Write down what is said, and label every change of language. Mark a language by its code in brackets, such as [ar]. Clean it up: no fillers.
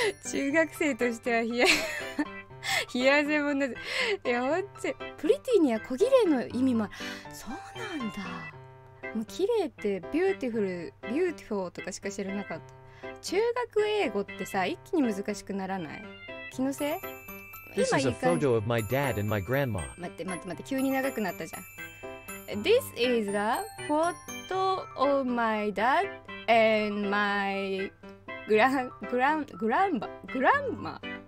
[ja] 中学生としては冷や汗もんだぜ。いや、ほんとプリティには小綺麗の意味もある。そうなんだ。もう綺麗ってビューティフル、ビューティフォーとかしか知らなかった。中学英語ってさ、一気に難しくならない？気のせい？ [en] This is a photo of my dad and my grandma. [ja] 待って、急に長くなったじゃん。 [en] This is a photo of my dad and my grandma.